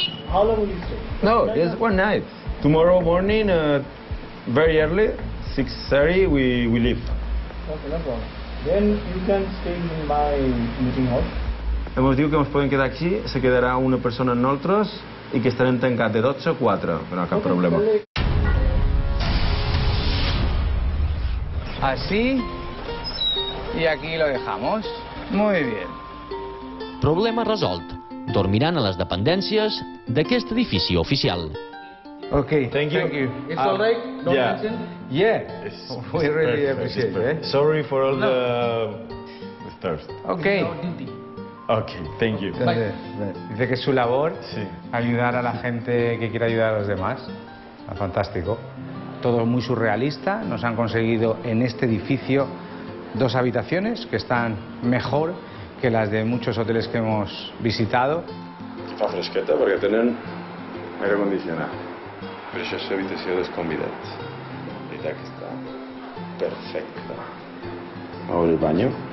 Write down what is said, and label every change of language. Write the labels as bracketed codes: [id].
[en] How long will you stay? No, just one night. Tomorrow morning, very early, 6:30, we leave. Okay, no problem. Then you can stay in my meeting hall. [es] Hemos dicho que nos pueden quedar aquí, se quedará una persona en nosotros y que estarán tancados de 12 a 4, pero no hay problema. Así, y aquí lo dejamos. Muy bien. [ca] Problema resolt. Dormiran a les dependències d'aquest edifici oficial. [en] Okay, thank you. It's all right, don't mention? Yeah. It's we really perfect. Appreciate it. Sorry for all the thirst. Okay. Okay, thank you. [es] Dice que es su labor sí. Ayudar a la gente que quiere ayudar a los demás. Fantástico. Todo muy surrealista. Nos han conseguido en este edificio dos habitaciones que están mejor que las de muchos hoteles que hemos visitado. [ca] Fa fresqueta perquè tenen aire condicionat. Però això és l'habitació dels convidats. La veritat que està perfecta. A veure el banyo.